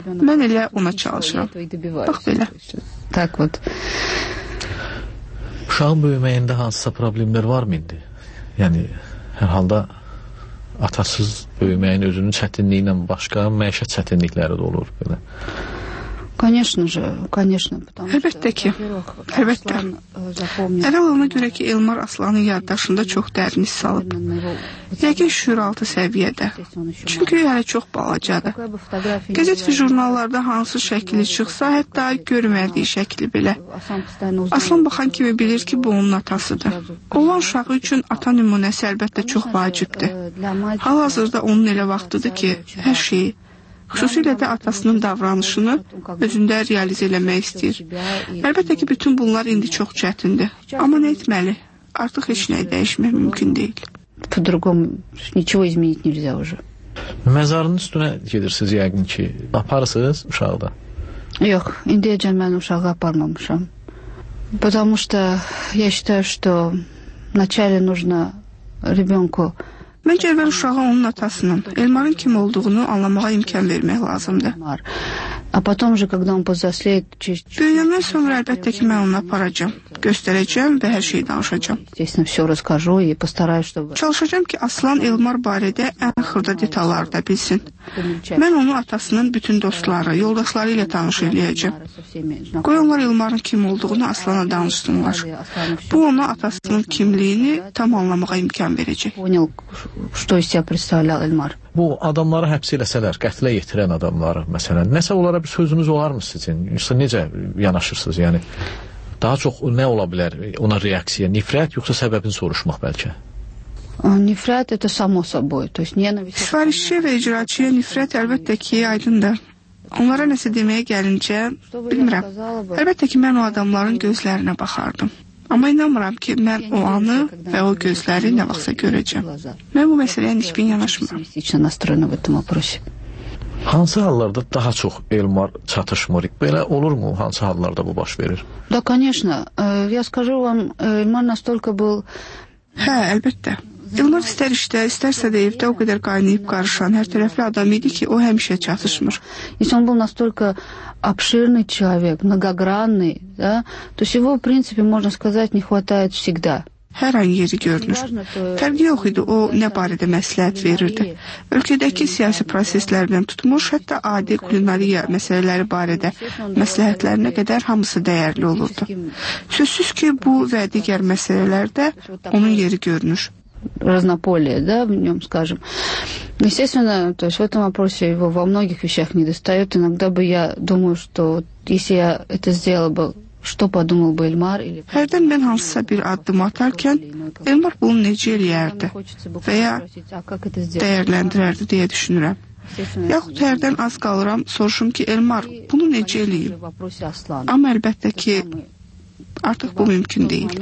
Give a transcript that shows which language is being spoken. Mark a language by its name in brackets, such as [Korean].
[Azerbaijani] Mən elə ona çalışıram. Bax belə. [Russian] Tak vot. [Azerbaijani] Uşağın böyüməyində hansısa problemlər var mıydı? Yəni, hər halda atasız böyüməyin özünün çətinliyi ilə başqa məişət çətinlikləri də olur belə. [Russian] Конечно же, конечно, потому что. [Azerbaijani] Əlbəttə ki. Əlbəttə. Əvvəl ona görə ki, Elmar Aslanın yaddaşında çox dərin iz salıb. Yəqin şüur altı səviyyədə. Çünki hələ çox balacadır. Qəzet və jurnallarda hansı şəkli çıxsa, hətta görmədiyi şəkli belə. Aslan baxan kimi bilir ki, bu onun atasıdır. Olan uşağı üçün ata nümunəsi əlbəttə çox vacibdir. Hal-hazırda onun elə vaxtıdır ki, hər şeyi xüsusilə də atasının davranışını özündə realizə eləmək istəyir. Əlbəttə ki, bütün bunlar indi çox çətindir. Amma nə etməli? Artıq heç nəyi dəyişmək mümkün deyil. Pudruqom, ničo izmənit nəlizə ucə. Məzarının üstünə gedirsiniz yəqin ki, aparırsınız uşağı da? Yox, indiyəcən mən uşağı aparmamışam. [Russian] Потому что я считаю, что вначале нужно ребенку. [Azerbaijani] Məncə əvvəl uşağa onun atasının, Elmarın kim olduğunu anlamağa imkan vermək lazımdır. [Russian] А потом же, когда он повзрослеет, [Azerbaijani] Büyüyəndən sonra əlbəttə ki, mən onu aparacağım. Göstərəcəm və hər şeyi danışacağım. [Russian] Естественно, всё расскажу и постараюсь, чтобы [Azerbaijani] Çalışacağım ki, Aslan Elmar barədə ən xırda detalları da bilsin. Mən onu atasının bütün dostları, yoldaşları ilə tanış eləyəcəm. Qoy onlar Elmarın kim olduğunu Aslana danışsınlar. Bu ona atasının kimliyini tam anlamağa imkan verəcək. [Russian] Что из себя представлял Эльмар? [Azerbaijani] Bu adamları həbs eləsələr, qətlə yetirən adamları, məsələn, nəsə onlara bir sözünüz olarmı sizin? Yoxsa necə yanaşırsınız? Yəni, daha çox nə ola bilər ona reaksiya? Nifrət, yoxsa səbəbini soruşmaq bəlkə? Nifrət, [Russian] это само собой. То есть, ненависть... [Azerbaijani] Сварişçi və icraçıya nifrət əlbəttə ki, aydındır. Onlara nəsə deməyə gəlincə, bilmirəm. Əlbəttə ki, mən o adamların gözlərinə baxardım. Amma inanmıram ki, mən o anı və o gözləri nə vaxtsa görəcəm. Mən bu məsələyə hiçbir yanaşmıram. Hansı hallarda daha çox Elmar çatışmır? Belə olur mu? Hansı hallarda bu baş verir? [Russian] Да, конечно. Я скажу вам, Эльмар настолько был... [Azerbaijani] Hə, əlbəttə. Elmar istər işdə, istərsə də evdə o qədər qaynayıb qarışan hər tərəfli adam idi ki, o həmişə çatışmır. [Russian] Если он был настолько... обширный человек, многогранный, да? То есть его, в принципе, можно сказать, не хватает всегда. [Azerbaijani] Hər an yeri görünür. Fərqi yox idi, o nə barədə məsləhət verirdi. Ölkədəki siyasi proseslərdən tutmuş, hətta adi kulinariya məsələləri barədə məsləhətlərinə qədər hamısı dəyərli olurdu. Sözsüz ki, bu və digər məsələlərdə onun yeri görünür. [Russian] Разнополие, да, в нём, скажем. Естественно, то есть в этом вопросе его во многих вещах не достаёт. Иногда бы я думаю, что если я это сделала бы, что подумал бы Эльмар? [Azerbaijani] Hərdən mən hansısa bir addım atarkən, Elmar bunu necə eləyərdi? Və ya dəyərləndirərdi deyə düşünürəm. Yaxud hərdən az qalıram, soruşum ki, Elmar, bunu necə eləyim? Amma əlbəttə ki, artıq bu mümkün deyil.